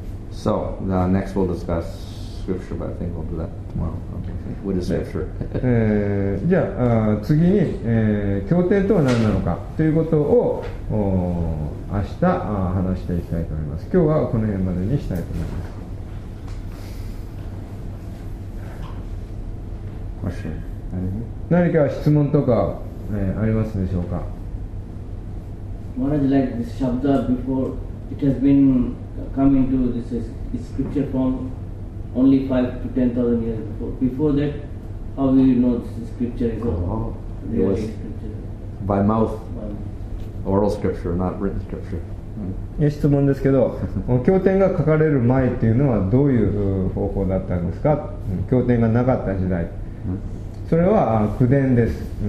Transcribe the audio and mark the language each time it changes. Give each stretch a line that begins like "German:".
English: So, next we'll discuss scripture, but I think we'll do that tomorrow. What is scripture?
Japanese: じゃあ、次に、経典とは何なのかということを明日話していきたいと思います。今日はこの辺までにしたいと思います。
English: Question? Anything?
Japanese: 何か質問とか、ありますでしょうか?
English: one is like this shabda before it has been coming to this scripture from only 5 to 10,000 years before. Before that, how do you know this scripture is really scripture? By mouth. Oral scripture, not written scripture.
Japanese: いい質問ですけど、経典が書かれる前っていうのはどういう方法だったんですか？経典がなかった時代、それは口伝です。